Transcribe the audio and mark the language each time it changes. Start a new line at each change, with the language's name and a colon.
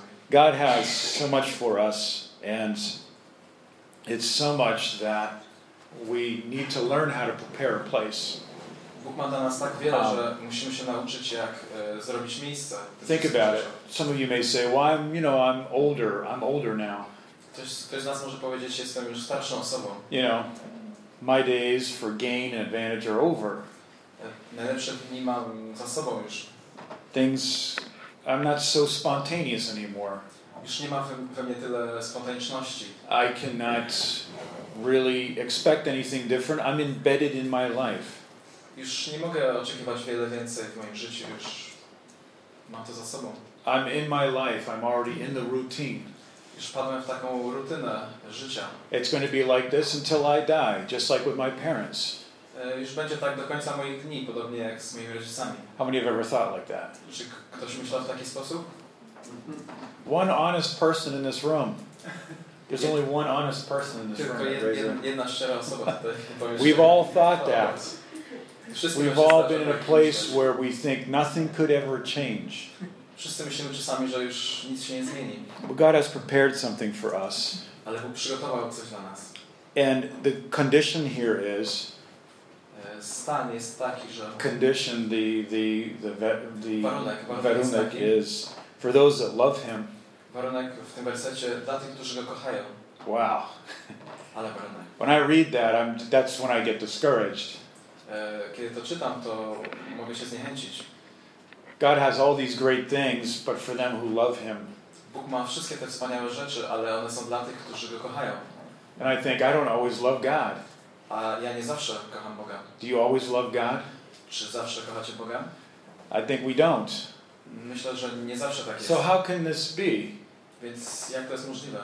English: God has so much for us, and it's so much that we need to learn how to prepare a place.
Polish: Bóg ma dla nas tak wiele, że musimy się nauczyć, jak zrobić miejsce.
English: Think about it. Some of you may say, well, I'm older. I'm older now.
Polish: Ktoś z nas może powiedzieć, jestem już starszą osobą.
English: You know, My days for gain and advantage are over.
Polish: Najlepsze dni mam za sobą już.
English: Things, I'm not so spontaneous anymore.
Polish: Już nie ma we mnie tyle spontaniczności.
English: I cannot really expect anything different. I'm embedded in my life.
Polish: Już nie mogę oczekiwać wiele więcej w moim życiu. Już mam to za sobą.
English: I'm in my life. I'm already in the routine.
Polish: Już wpadłem w taką rutynę życia.
English: It's going to be like this until I die, just like with my parents.
Polish: Już będzie tak do końca moich dni, podobnie jak z moimi rodzicami.
English: How many have ever thought like that?
Polish: Czy ktoś myślał w taki sposób?
English: One honest person in this room. There's only one honest person in this
Polish: tylko
English: room.
Polish: Jedna szczera osoba tutaj.
English: We've all thought that. We've all been in a place where we think nothing could ever change.
Polish: Wszyscy myślimy czasami, że już nic się nie zmieni.
English: But God has prepared something for us.
Polish: Ale Bóg przygotował coś dla nas.
English: And the condition here is
Polish: stan jest taki, że
English: condition, the warunek
Polish: taki,
English: is for those that love him.
Polish: Warunek w tym wersecie dla tych, którzy go kochają.
English: Wow.
Polish: Ale warunek.
English: When I read that, that's when I get discouraged.
Polish: Kiedy to czytam, to mogę się zniechęcić.
English: God has all these great things, but for them who love him.
Polish: Bóg ma wszystkie te wspaniałe rzeczy, ale one są dla tych, którzy go kochają.
English: And I think, I don't always love God.
Polish: A ja nie zawsze kocham Boga.
English: Do you always love God?
Polish: Czy zawsze kochacie Boga?
English: I think we don't.
Polish: Myślę, że nie zawsze tak jest.
English: So how can this be?
Polish: Więc jak to jest możliwe?